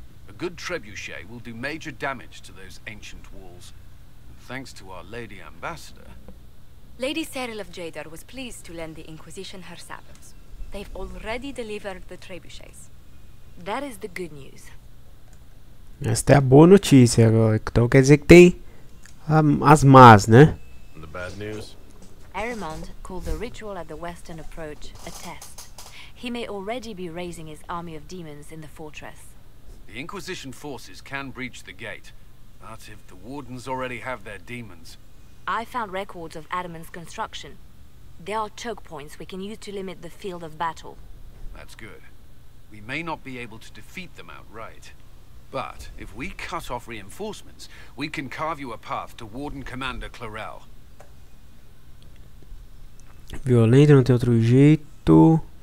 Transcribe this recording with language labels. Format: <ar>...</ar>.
<en>A good trebuchet will do major damage to those ancient walls. Thanks to our Lady Ambassador. Lady Cyril of Jadar was pleased to lend the Inquisition her sabers. They've already delivered the trebuchets. That is the good news.</en> <pt>Esta é a boa notícia. Então quer dizer que tem as más, né?</pt> <en>And the bad news? Erimond called the ritual at the western approach a test. He may already be raising his army of demons in the fortress. The Inquisition forces can breach the gate. But if the wardens already have their demons... I found records of Adamant's construction. There are choke points we can use to limit the field of battle. That's good. We may not be able to defeat them outright. But if we cut off reinforcements, we can carve you a path to Warden Commander Clarel.</en> <pt>Violento, não tem outro jeito.</pt>